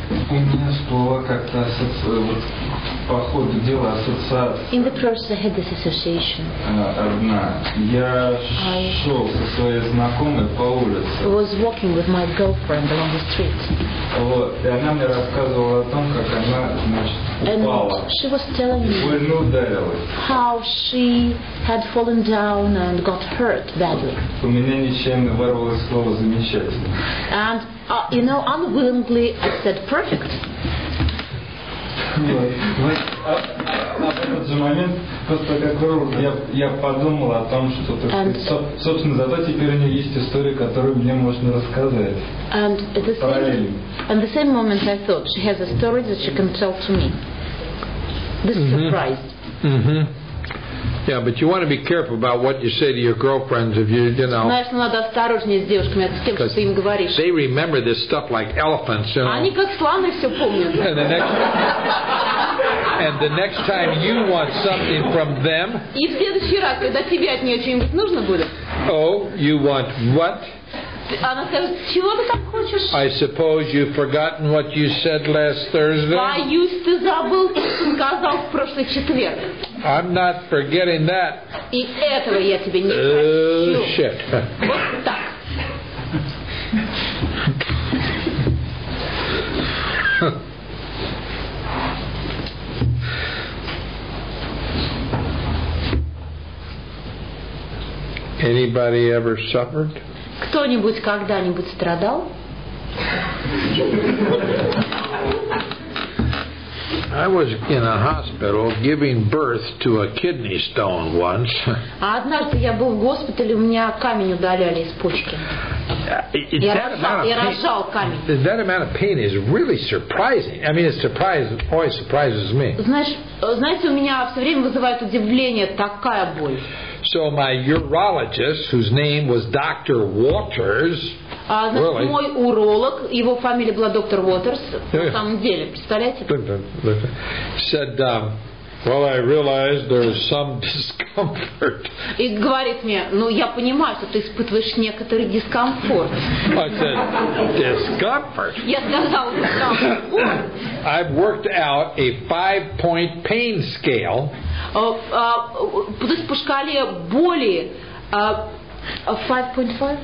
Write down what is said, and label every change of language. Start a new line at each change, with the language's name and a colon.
Russian: У меня всплыла как-то вот, по ходу дела ассоциация.
English: In the process, I had this association.
Russian: Одна. Я шел со своей знакомой по улице.
English: I was walking with my girlfriend along the street.
Russian: Вот, и она мне рассказывала о том, как она, значит, упала.
English: And she was telling me.
Russian: Больно ударилась.
English: How she had fallen and got hurt badly.
Russian: У меня нечаянно вырвалось слово «замечательно».
English: And you know, unwillingly, I said perfect.
Russian: Вот. В этот же момент, просто как хирург, я подумал о том, что, собственно, зато теперь у меня есть история, которую мне можно рассказать. Параллельно.
English: And the same moment I thought, she has a story that she can tell to me. This surprised. Mm-hmm. Yeah, but you want to be careful about what you say to your girlfriends if you know.
Russian: Знаешь, надо осторожнее с девушками, с кем ты им говоришь.
English: They remember this stuff like elephants, you know.
Russian: Они как слоны все помнят.
English: And the next time you want something from them.
Russian: И в следующий раз, когда тебе от нее что-нибудь нужно будет.
English: Oh, you want what?
Russian: Она скажет, чего ты там хочешь?
English: I suppose you've forgotten what you said last Thursday.
Russian: Боюсь, ты забыл, что сказал в прошлый четверг.
English: I'm not forgetting that.
Russian: И этого я тебе не хочу.
English: Shit.
Russian: Вот так.
English: Anybody ever suffered?
Russian: Кто-нибудь когда-нибудь страдал?
English: I was in a hospital giving birth to a kidney stone once.
Russian: А однажды я был в госпитале, у меня камень удаляли из почки.
English: Is that amount of pain is really surprising. I mean, it always surprises me.
Russian: Знаете, у меня все время вызывает удивление такая боль.
English: So my urologist, whose name was Dr. Waters,
Russian: мой уролог, его фамилия была доктор Уотерс, на самом деле, представляете?
English: Said, well, I realize there is some discomfort.
Russian: И говорит мне, ну я понимаю, что ты испытываешь некоторый дискомфорт.
English: I said, discomfort.
Russian: Я сказал, дискомфорт.
English: I've worked out a 5-point pain scale.
Russian: То есть по шкале боли 5.5?